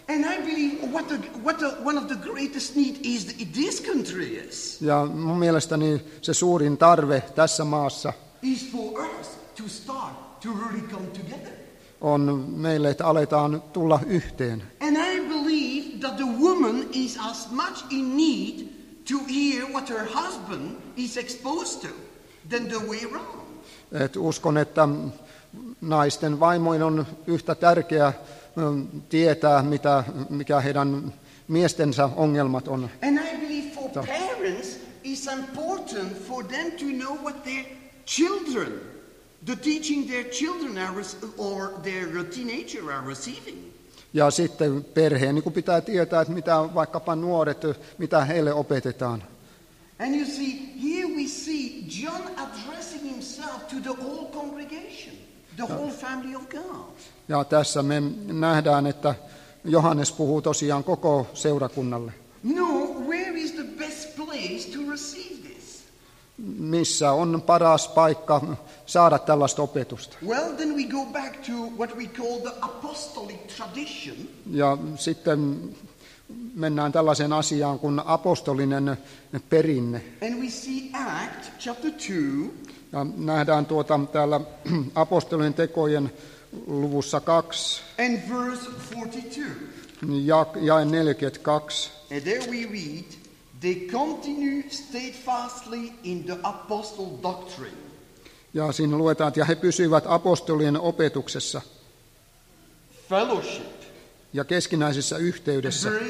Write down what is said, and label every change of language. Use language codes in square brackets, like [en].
[en] And I believe what one of the greatest need is this country is. [fi] Ja mun mielestäni se suurin tarve tässä maassa [en] is for us to start to really come together. [fi] On meille, että aletaan tulla yhteen. [en] And I believe that the woman is as much in need to hear what her husband is exposed to than the way around. [fi] Et uskon, että naisten vaimoin on yhtä tärkeä tietää, mikä heidän miestensä ongelmat on. [en] And I believe for parents it's important for them to know what their children, the teaching their children are, or their teenager are receiving. [fi] Ja sitten perheen niin kun pitää tietää, että mitä vaikkapa nuoret, mitä heille opetetaan. [en] And you see, here we see John addressing himself to the whole congregation, the whole family of God. [fi] Ja tässä me nähdään, että Johannes puhuu tosiaan koko seurakunnalle. [en] No, where is the best place to receive this? [fi] Missä on paras paikka saada tällaista opetusta? [en] Well, then we go back to what we call the apostolic tradition. [fi] Ja sitten mennään tällaiseen asiaan kuin apostolinen perinne. [en] And we see Act chapter 2. [fi] Ja nähdään täällä apostolien tekojen luvussa 2. [en] And verse 42. [fi] Jae 42. [en] And there we read, they continue steadfastly in the apostle doctrine. [fi] Ja siinä luetaan, että he pysyivät apostolien opetuksessa. [en] Fellowship. [fi] Ja keskinäisessä yhteydessä.